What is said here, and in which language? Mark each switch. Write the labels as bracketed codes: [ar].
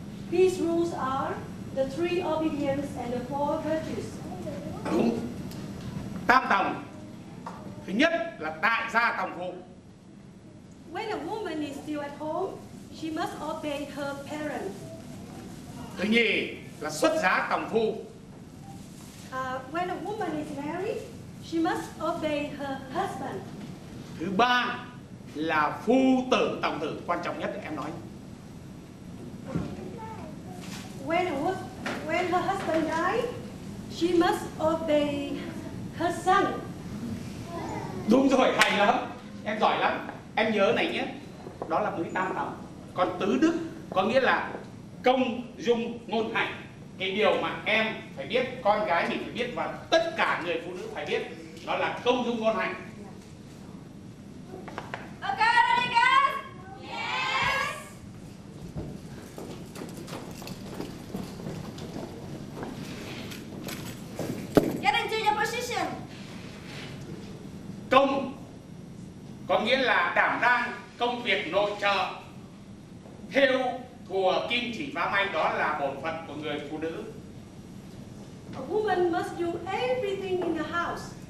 [en] These rules are the three obedience and the four virtues. [vi] Đúng. Tam tòng. Thứ nhất là tại gia tòng phụ. [en] When a woman is still at home, she must obey her parents. [vi] Thứ nhì là xuất giá tòng phụ. [en] When a woman is married, she must obey her husband. [vi] Thứ ba là phu tử tòng tử, quan trọng nhất để em nói. [en] When her husband dies, she must obey her son. [vi] Đúng rồi, hay lắm. Em giỏi lắm. Em nhớ này nhé. Đó là mới tam tòng. Còn tứ đức có nghĩa là công, dung, ngôn, hạnh. Cái điều mà em phải biết, con gái mình phải biết và tất cả người phụ nữ phải biết, đó là công dung ngôn hạnh. [en] Ok, ready guys? Yes! Get into your position. [vi] Công có nghĩa là đảm đang công việc nội trợ, thêu thùa kim chỉ vá may, đó là bổn phận của người phụ nữ. [en] A woman must do everything in the house.